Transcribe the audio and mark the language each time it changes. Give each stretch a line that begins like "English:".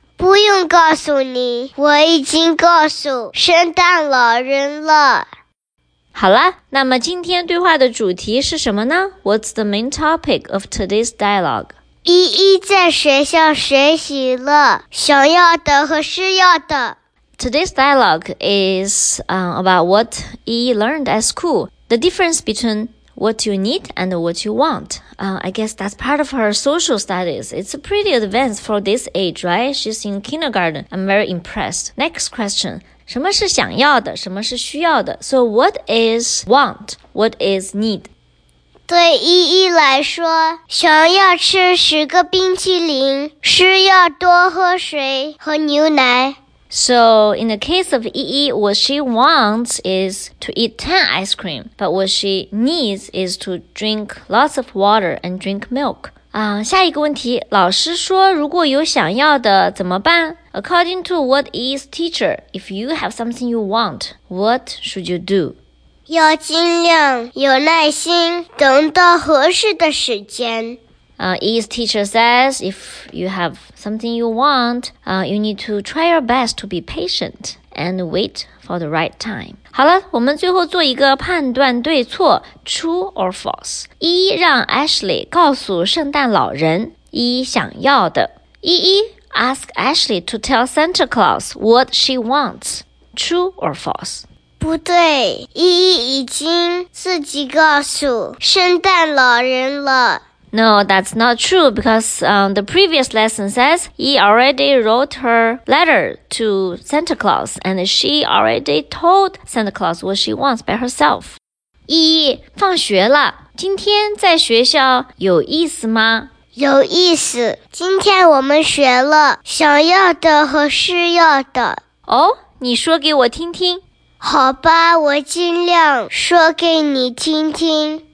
Chinese: 不用告诉你，我已经告诉圣诞老人了。好了，那么今天对话的主题是什么呢？
English: What's the main topic of today's dialogue?
Chinese: 依依在学校学习了想要的和需要的。
English: Today's dialogue is about what Yi Yi learned at school. The difference between what you need and what you want. I guess that's part of her social studies. It's pretty advanced for this age, right? She's in kindergarten. I'm very impressed. Next question.
Chinese: 什么是想要的？什么是需要的？
English: So what is want? What is need?
Chinese: 对依依来说，想要吃十个冰淇淋，需要多喝水和牛奶。
English: So, in the case of 依依, what she wants is to eat 10 ice cream, but what she needs is to drink lots of water and drink milk.
Chinese: 下一个问题，老师说如果有想要的怎么办？
English: According to what 依依's teacher, if you have something you want, what should you do?
Chinese: 要尽量有耐心，等到合适的时间。
English: Yi's teacher says, if you have something you want, you need to try your best to be patient and wait for the right time.
Chinese: 好了，我们最后做一个判断对错 ，
English: true or false。
Chinese: Yi让 Ashley 告诉圣诞老人 Yi 想要的。
English: Yi ask Ashley to tell Santa Claus what she wants. True or false?
Chinese: 不对，依依已经自己告诉圣诞老人了。
English: No, that's not true, because the previous lesson says, Yi already wrote her letter to Santa Claus, and she already told Santa Claus what she wants by herself.
Chinese: 依依，放学了，今天在学校有意思吗？有意思，今天我们学了想要的和需要的。哦，你说给我听听。好吧，我尽量说给你听听。